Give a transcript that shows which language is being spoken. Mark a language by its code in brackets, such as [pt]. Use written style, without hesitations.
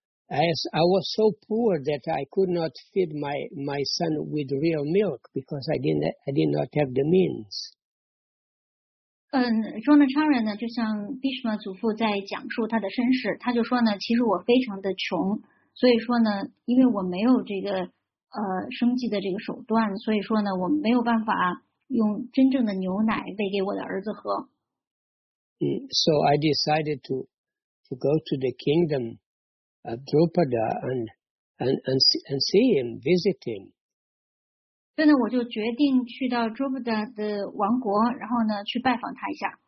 [en] As I was so poor that I could not feed my son with real milk because I did not have the means. [zh] 庄那昌人呢，就像 Bhishma 祖父在讲述他的身世，他就说呢，其实我非常的穷，所以说呢，因为我没有这个生计的这个手段，所以说呢，我没有办法用真正的牛奶喂给我的儿子喝。 [en] So I decided to go to the kingdom. Drupada and see him, visit him. [zh] 所以呢，我就决定去到 Drupada 的王国，然后呢，去拜访他一下。